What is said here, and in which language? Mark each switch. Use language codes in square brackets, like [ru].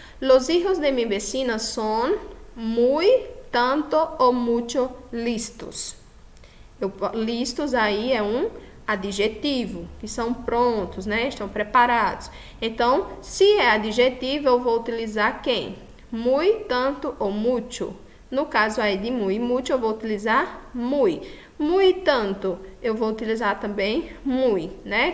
[es] Los hijos de mi vecina son muy, tanto o mucho listos. [pt] Listos aí é um adjetivo, que são prontos, né? Estão preparados. Então, se é adjetivo, eu vou utilizar quem? Muy, tanto ou mucho. No caso aí de muy e mucho, eu vou utilizar muy. Muy, tanto, eu vou utilizar também muy, né?